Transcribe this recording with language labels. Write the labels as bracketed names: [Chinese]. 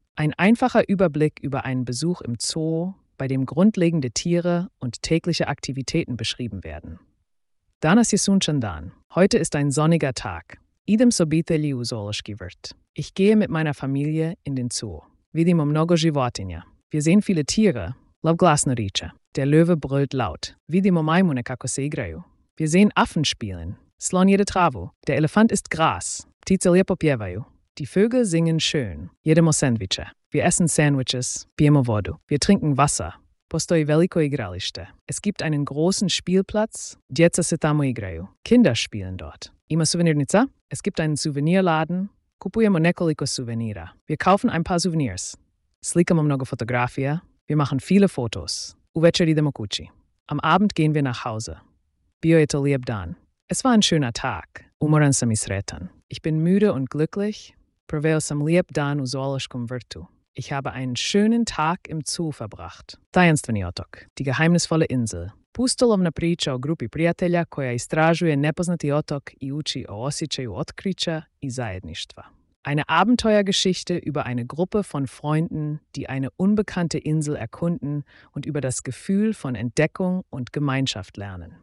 [German] Ein einfacher Überblick über einen Besuch im Zoo, bei dem grundlegende Tiere und tägliche Aktivitäten beschrieben werden. [Croatian] Danas je sunčan dan. [German] Heute ist ein sonniger Tag. [Croatian] Idem s obitelji u zološki vrt. [German] Ich gehe mit meiner Familie in den Zoo. [Croatian] Vidimo mnogo životinja. [German] Wir sehen viele Tiere. [Croatian] Lav glasno riče. [German] Der Löwe brüllt laut. [Croatian] Vidimo majmune kako se igraju. [German] Wir sehen Affen spielen. [Croatian] Slon jede travu. [German] Der Elefant isst Gras. [Croatian] Ptice lijepo pjevaju. [German] Die Vögel singen schön. [Croatian] Jedemo sandviče. [German] Wir essen Sandwiches. [Croatian] Pijemo vodu. [German] Wir trinken Wasser. [Croatian] Postoji veliko igralište. [German] Es gibt einen großen Spielplatz. [Croatian] Djeca se tamo igraju. [German] Kinder spielen dort. [Croatian] Ima suvenirnica. [German] Es gibt einen Souvenirladen. [Croatian] Kupujemo nekoliko suvenira. [German] Wir kaufen ein paar Souvenirs. [Croatian] Slikamo mnogo fotografija. [German] Wir machen viele Fotos. [Croatian] Uvečer idemo kući. [German] Am Abend gehen wir nach Hause. [Croatian] Bio je to lijep dan. [German] Es war ein schöner Tag. [Croatian] Umoran sam i sretan. [German] Ich bin müde und glücklich. [Croatian] Proveo sam lijep dan u zološkom vrtu. [German] Ich habe einen schönen Tag im Zoo verbracht. [Croatian] Tajanstveni otok. [German] Die geheimnisvolle Insel. [Croatian] Pustolovna priča o grupi prijatelja koja istražuje nepoznati otok i uči o osjećaju otkrića i zajedništva. [German] Eine Abenteuergeschichte über eine Gruppe von Freunden, die eine unbekannte Insel erkunden und über das Gefühl von Entdeckung und Gemeinschaft lernen.